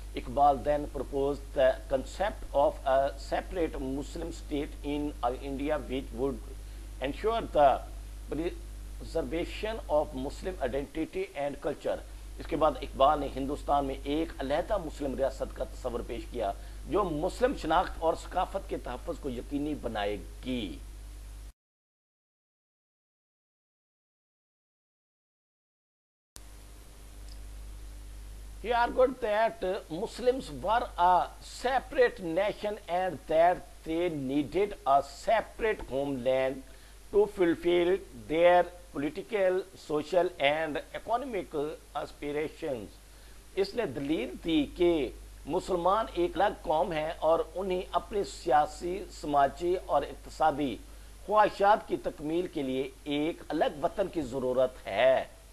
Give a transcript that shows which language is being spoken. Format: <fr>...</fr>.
<en>Iqbal then propose the concept of a separate Muslim state India which would ensure the preservation of Muslim identity and culture.</en> <ur>اس کے بعد اقبال نے ہندوستان میں ایک علیحدہ مسلم ریاست کا تصور پیش کیا جو مسلم شناخت اور ثقافت کے تحفظ کو یقینی بنائے گی.</ur> <en>He argued that Muslims were a separate nation and that they needed a separate homeland to fulfill their political, social and economic aspirations.</en> <ur>اس نے دلیل دی کہ مسلمان ایک الگ قوم ہے اور انہیں اپنے سیاسی, سماجی اور اقتصادی خواہشات کی تکمیل کے لیے ایک الگ وطن کی ضرورت ہے.</ur>